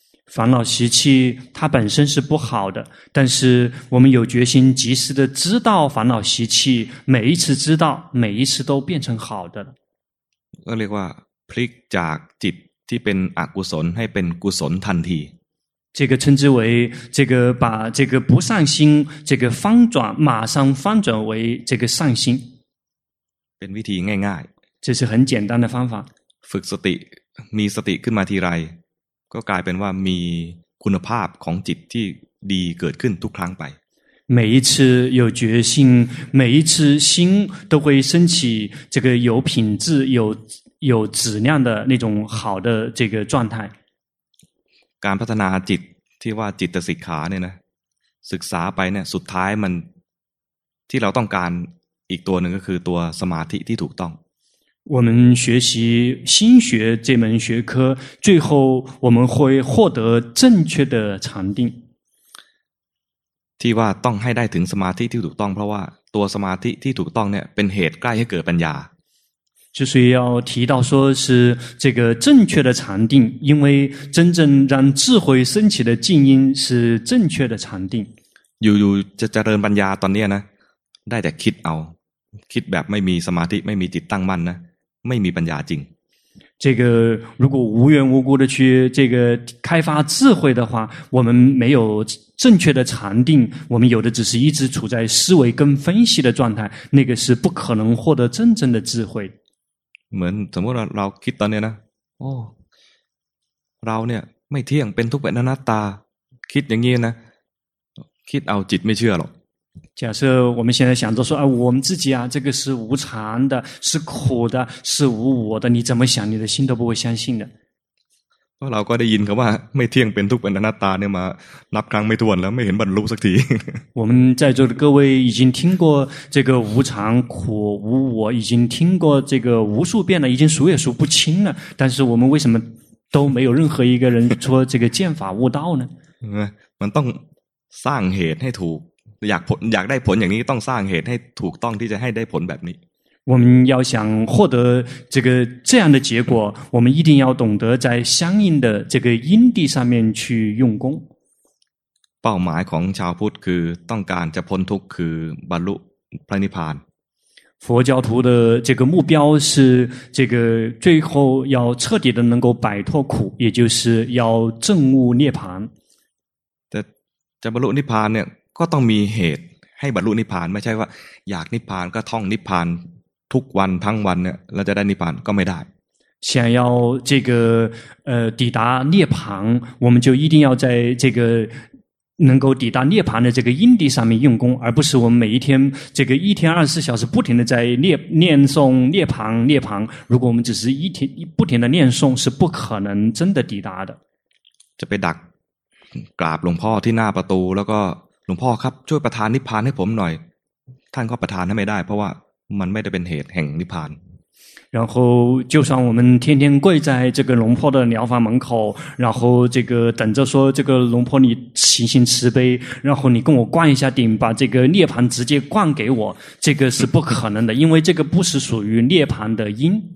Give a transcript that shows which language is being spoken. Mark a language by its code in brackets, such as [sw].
[zh] 烦恼习气它本身是不好的但是我们有决心及时的知道烦恼习气每一次知道每一次都变成好的 [th] เรียกว่าพลิกจากจิตที่เป็นอกุศลให้เป็นกุศลทันที [zh] 这个称之为这个把这个不善心这个翻转马上翻转为这个善心 [th] เป็นวิธีง่าย [zh] ๆ这是很简单的方法 [th] ฝึกสติมีสติขึ้นมาทีไรก็กลายเป็นว่ามีคุณภาพของจิตที่ดีเกิดขึ้นทุกครั้งไป [zh] 每一次有决心，每一次心都会升起这个有品质、有质量的那种好的这个状态。 [th] การพัฒนาจิตที่ว่าจิตสิกขาเนี่ยนะศึกษาไปเนี่ยสุดท้ายมันที่เราต้องการอีกตัวหนึ่งก็คือตัวสมาธิที่ถูกต้อง [zh] 我们学习心学这门学科，最后我们会获得正确的禅定。 [th] ที่ว่าต้องให้ได้ถึงสมาธิที่ถูกต้องเพราะว่าตัวสมาธิที่ถูกต้องเนี่ยเป็นเหตุใกล้ให้เกิดปัญญา [zh] 就是要提到说是这个正确的禅定，因为真正让智慧升起的静音是正确的禅定。 [th] อยู่ๆจะเจริญปัญญาตอนนี้นะได้แต่คิดเอาคิดแบบไม่มีสมาธิไม่มีจิตตั้งมั่นนะไม่มีปัญญาจริง [zh] 这个如果无缘无故的去这个开发智慧的话，我们没有正确的禅定，我们有的只是一直处在思维跟分析的状态，那个是不可能获得真正的智慧。 [th] เหมือนสมมติเราคิดตอนนี้นะโอ้เราเนี่ยไม่เที่ยงเป็นทุกข์เป็นอนัตตาคิดอย่างนี้นะคิดเอาจิตไม่เชื่อหรอก [zh] 假设我们现在想着说啊，我们自己啊，这个是无常的，是苦的，是无我的，你怎么想，你的心都不会相信的。 [th] เราก็ได้ยินคำว่าไม่เที่ยงเป็นทุกข์เป็นอนัตตาเนี่ยมานับครั้งไม่ถ้วนแล้วไม่เห็นบรรลุสักที [zh] 我们在座的各位已经听过这个无常苦无我，已经听过这个无数遍了，已经数也数不清了。但是我们为什么都没有任何一个人说这个见法悟道呢？ [th] มันต้องสร้างเหตุให้ถูกอยากได้ผลอย่างนี้ต้องสร้างเหตุให้ถูกต้องที่จะให้ได้ผลแบบนี้ [zh] 我们要想获得这个这样的结果，我们一定要懂得在相应的这个因地上面去用功。 [th] เป้าหมายของชาวพุทธคือต้องการจะพ้นทุกข์คือบรรลุพระนิพพาน。 [zh] 佛教徒的这个目标是这个最后要彻底的能够摆脱苦，也就是要证悟涅槃。 [th] แต่จะบรรลุนิพพานเนี่ยก็ต้องมีเหตุให้บรรลุนิพพานไม่ใช่ว่าอยากนิพพานก็ท่องนิพพานทุกวันทั้งวันเนี่ยเราจะได้นิพพานก็ไม่ได้ [zh] 想要这个抵达涅槃我们就一定要在这个能够抵达涅槃的这个因地上面用功而不是我们每一天这个一天二十四小时不停的在念诵涅槃如果我们只是一天不停的念诵是不可能真的抵达的 [th] จะไปดักกราบหลวงพ่อที่หน้าประตูแล้วก็หลวงพ่อครับช่วยประทานนิพพานให้ผมหน่อยท่านก็ประทานให้ไม่ได้เพราะว่ามันไม่ได้เป็นเหตุแห่งนิพพาน [zh] 然后就算我们天天跪在这个龙婆的疗房门口然后这个等着说这个龙婆你行行慈悲然后你跟我灌一下顶把这个涅槃直接灌给我这个是不可能的因为这个不是属于涅槃的因